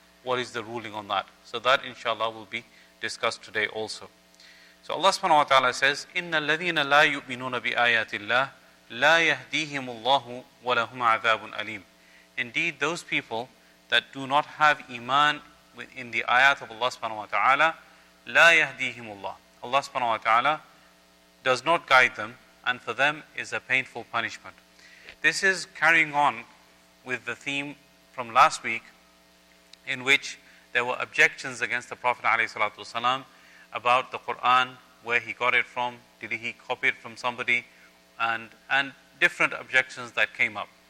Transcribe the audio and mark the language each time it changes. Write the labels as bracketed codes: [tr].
[en] What is the ruling on that? So that inshallah will be discussed today also. So Allah subhanahu wa ta'ala says, [ar] إِنَّ الَّذِينَ لَا يُؤْمِنُونَ بِآيَاتِ اللَّهِ لَا يَهْدِيهِمُ اللَّهُ وَلَهُمْ عَذَابٌ أَلِيمٌ. [en] Indeed, those people that do not have iman in the ayat of Allah subhanahu wa ta'ala, [ar] لَا يَهْدِيهِمُ اللَّهُ. [en] Allah subhanahu wa ta'ala does not guide them, and for them is a painful punishment. This is carrying on with the theme from last week, in which there were objections against the Prophet ﷺ about the Quran, where he got it from, did he copy it from somebody, and different objections that came up.